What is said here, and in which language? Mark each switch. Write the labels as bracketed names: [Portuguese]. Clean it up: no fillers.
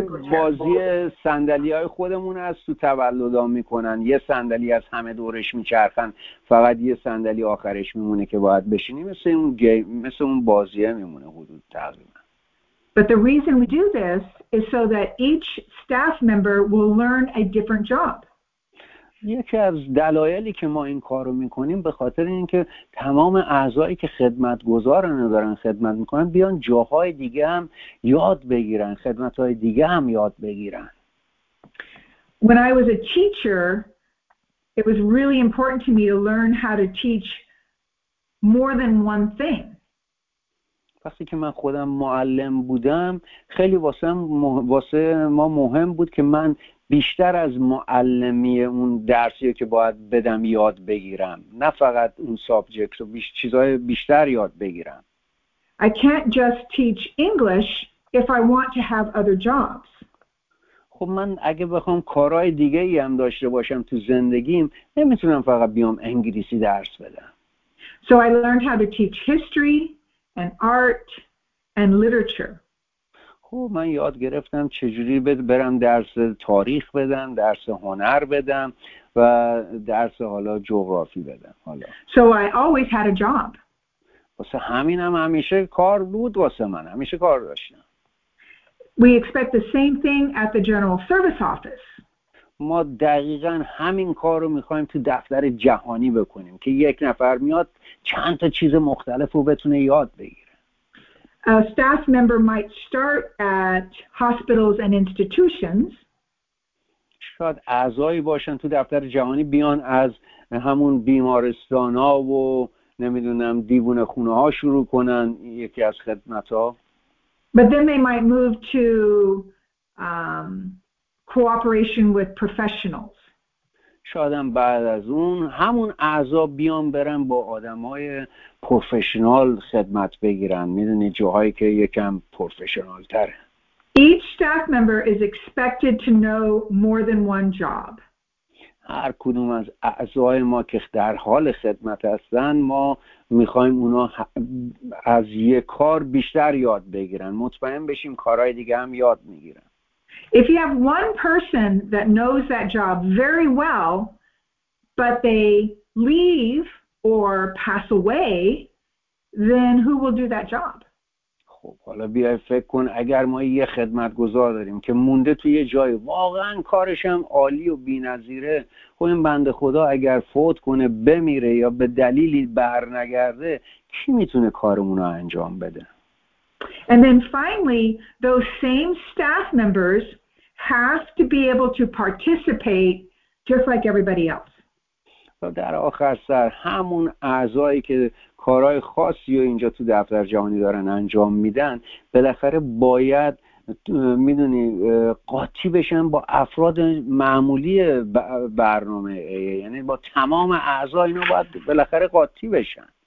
[Persian] بازی صندلی‌های خودمون از تو تولدا میکنن، یه صندلی از همه دورش میچرخن، فقط یه صندلی آخرش میمونه که باید بشینی، مثل اون بازیه میمونه حدود تقریبا. [English] But the reason we do this is so that each staff member will learn a different job. [Persian] یکی از دلایلی که ما این کارو میکنیم به خاطر اینکه تمام اعضایی که خدمتگزارن دارن خدمت میکنن بیان جاهای دیگه هم یاد بگیرن، خدمتهای دیگه هم یاد بگیرن. [English] When I was a teacher, it was really important to me to learn how to teach more than one thing. [Persian] وقتی که من خودم معلم بودم خیلی واسه ما مهم بود که من بیشتر از معلمی اون درسی رو که باید بدم یاد بگیرم، نه فقط اون سابجکت رو، چیزهای بیشتر یاد بگیرم. [English] I can't just teach English if I want to have other jobs. [Persian] خب من اگه بخوام کارهای دیگه ای هم داشته باشم تو زندگیم نمیتونم فقط بیام انگلیسی درس بدم. [English] So I learned how to teach history and art and literature. [Persian] خب من یاد گرفتم چجوری برم درس تاریخ بدم، درس هنر بدم و درس حالا جغرافی بدم حالا. [English] So I always had a job. [Persian] واسه همینم همیشه کار بود، واسه من همیشه کار داشتم. [English] We expect the same thing at the General Service Office. [Persian] ما دقیقا همین کار رو میخواییم تو دفتر جهانی بکنیم که یک نفر میاد چند تا چیز مختلف رو بتونه یاد بگیر. [English] A staff member might start at hospitals and institutions. [Persian] شاید اعضایی باشن تو دفتر جهانی بیان از همون بیمارستان‌ها و نمیدونم دیوانه‌خونه‌ها شروع کنن یکی از خدمت‌ها. [English] But then they might move to cooperation with professionals. [Persian] شاید هم بعد از اون همون اعضا بیان برن با آدم‌های پروفشنال خدمت بگیرن، میدونی جاهایی که یکم پروفشنال تره. [English] Each staff member is expected to know more than one job. [Persian] هر کدوم از اعضای ما که در حال خدمت هستن ما میخوایم اونا از یک کار بیشتر یاد بگیرن، مطمئن بشیم کارهای دیگه هم یاد میگیرن. [English] If you have one person that knows that job very well, but they leave or pass away, then who will do that job? [Persian] خب حالا بیای فکر کن اگر ما یه خدمتگزار داریم که مونده توی یه جای واقعا کارش هم عالی و بی‌نظیره، خب این بنده خدا اگر فوت کنه، بمیره یا به دلیلی برنگرده، کی میتونه کارمون رو انجام بده؟ [English] And then finally, those same staff members have to be able to participate just like everybody else. [Persian] So در آخر سر همون اعضایی که کارهای خاصی رو اینجا تو دفتر جهانی دارن انجام میدن بالاخره باید میدونی قاطی بشن با افراد معمولی برنامه ایه. یعنی با تمام اعضا اینا باید بالاخره قاطی بشن.